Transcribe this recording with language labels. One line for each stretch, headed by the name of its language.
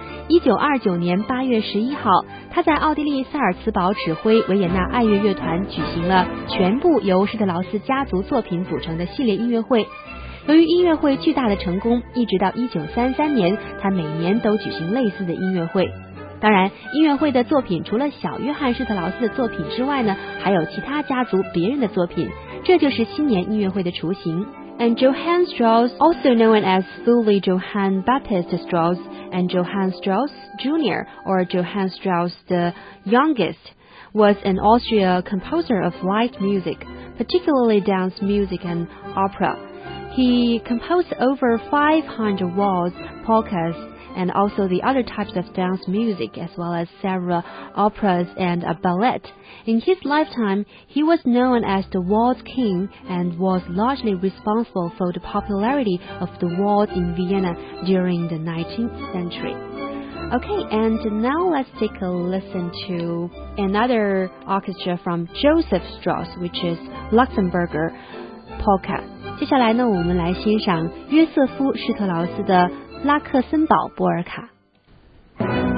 Chinese: 1929年8月11号，他在奥地利萨尔茨堡指挥维也纳爱乐乐团举行了全部由施特劳斯家族作品组成的系列音乐会。由于音乐会巨大的成功，一直到1933年，他每年都举行类似的音乐会。当然，音乐会的作品除了小约翰施特劳斯的作品之外呢，还有其他家族别人的作品，这就是新年音乐会的雏形。
English: And Johann Strauss, also known as fully Johann Baptist Strauss and Johann Strauss Jr. or Johann Strauss the youngest, was an Austrian composer of light music, particularly dance music and opera. He composed over 500 waltz, polkas, and also the other types of dance music, as well as several operas and a ballet. In his lifetime, he was known as the waltz king and was largely responsible for the popularity of the waltz in Vienna during the 19th century. Okay, and now let's take a listen to another orchestra from Joseph Strauss, which is Luxembourger Polka.
Chinese: 接下来呢，我们来欣赏约瑟夫·施特劳斯的拉克森堡波尔卡。